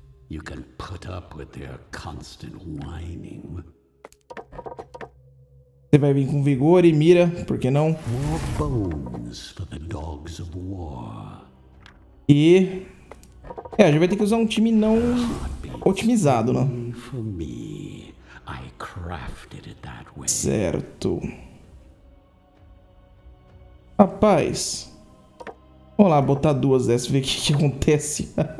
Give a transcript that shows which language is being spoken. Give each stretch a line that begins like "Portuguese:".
English: You can put up with their constant whining.
Portuguese: Você vai vir com vigor e mira, por que não?
English: More bones for the dogs of war.
Portuguese: E é, a gente vai ter que usar um time não otimizado, né?
English: For me. I crafted it that way.
Portuguese: Certo. Rapaz. Vamos lá botar duas dessas, ver o que acontece.